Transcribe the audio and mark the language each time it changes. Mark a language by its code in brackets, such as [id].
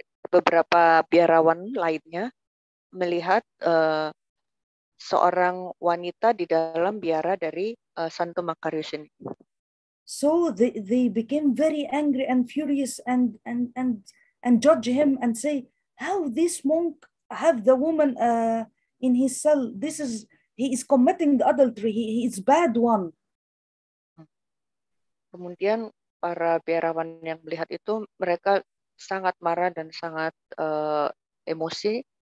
[id] Beberapa biarawan lainnya melihat seorang wanita di dalam biara dari Santo Makarius ini. [en] So they became very angry and furious and judge him and say, how this monk have the woman in his cell? He is committing the adultery. He is bad one. [id] Kemudian para biarawan yang melihat itu, mereka sangat marah dan sangat emosi.